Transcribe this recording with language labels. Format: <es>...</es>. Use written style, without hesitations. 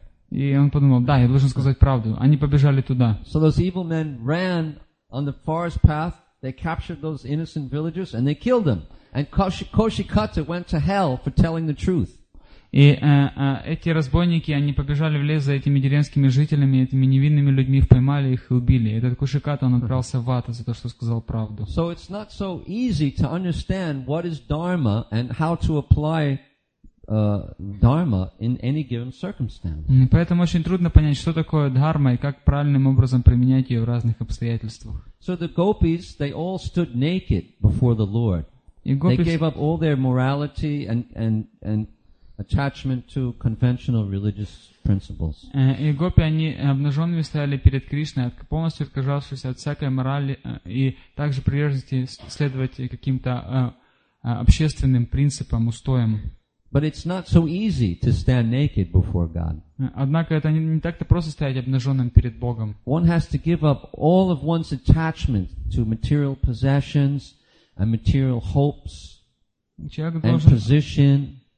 <ru>И он подумал, да, я должен сказать правду. Они побежали туда.</ru> <en>So those evil men ran on the forest path, they captured those innocent villagers and they killed them. And Кушиката went to hell for telling the truth.</en> <ru>И эти разбойники, они побежали в лес за этими деревенскими жителями, этими невинными людьми, поймали их и убили. Этот Кушиката, он отправился в ад за то, что сказал правду.</ru> <en>So it's not so easy to understand what is dharma and how to apply dharma in any given circumstance.</en> <ru>Поэтому очень трудно понять, что такое дхарма и как правильным образом применять ее в разных обстоятельствах.</ru> <en>So the gopis, they all stood naked before the Lord. They gave up all their morality and attachment to conventional religious principles.</en> <ru>И гопи, они обнаженными стояли перед Кришной, полностью отказавшись от всякой морали и также приверженности следовать каким-то общественным принципам, устоям.</ru> <en>But it's not so easy to stand naked before God.</en> <ru>Однако это не так-то просто стоять обнаженным перед Богом.</ru> <en>One has to give up all of one's attachment to material possessions and material hopes and position.</en>